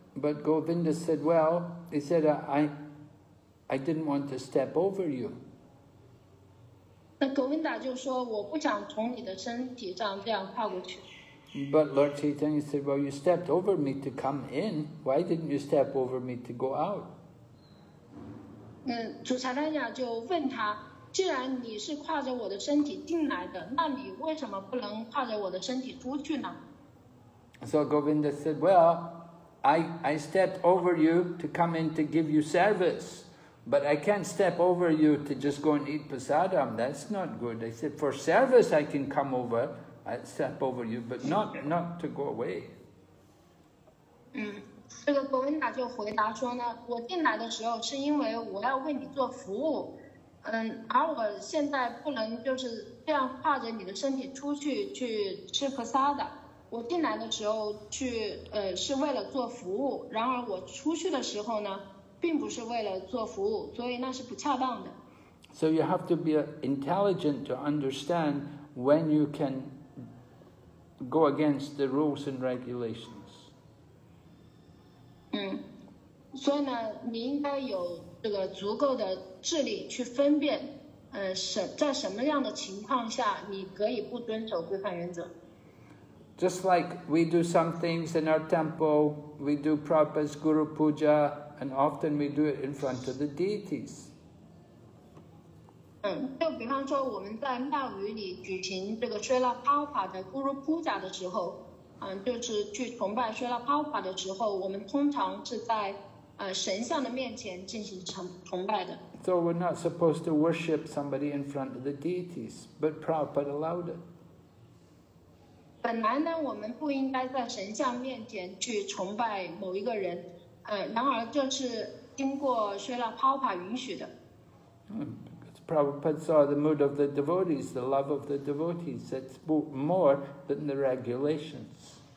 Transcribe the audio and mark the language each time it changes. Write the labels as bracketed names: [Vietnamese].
[English] But Govinda said, well, he said, I didn't want to step over you. [Chinese] 那 Govinda 就说我不想从你的身体上这样跨过去。 [English] But Lord Chaitanya said, well, you stepped over me to come in. Why didn't you step over me to go out? [Chinese] 主禅丹雅就问他，既然你是跨着我的身体进来的，那你为什么不能跨着我的身体出去呢？ [English] So Govinda said, well, I stepped over you to come in to give you service. But I can't step over you to just go and eat prasadam. That's not good. I said, for service, I can come over, I'd step over you, but not to go away. [Chinese] 这个 Govinda 就回答说呢，我进来的时候是因为我要为你做服务，而我现在不能就是这样跨着你的身体出去去吃prasadam。我进来的时候去是为了做服务，然而我出去的时候呢，并不是为了做服务，所以那是不恰当的。 [English] So you have to be intelligent to understand when you can go against the rules and regulations. [Chinese] 所以呢，你应该有这个足够的智力去分辨，在什么样的情况下你可以不遵守规范原则。 [English] Just like we do some things in our temple, we do Prabhupada's Guru Puja. And often we do it in front of the deities. [Chinese] 就比方说我们在庙宇里举行这个 Srila Prabhupada 的 Guru Puja 的时候，就是去崇拜 Srila Prabhupada 的时候，我们通常是在神像的面前进行崇拜的。 [English] So we're not supposed to worship somebody in front of the deities, but Prabhupada allowed it. [Chinese] 本来呢，我们不应该在神像面前去崇拜某一个人。然而这是经过 Srila Prabhupada 允许的。 [English] Because Prabhupada saw the mood of the devotees, the love of the devotees, that's more than the regulations.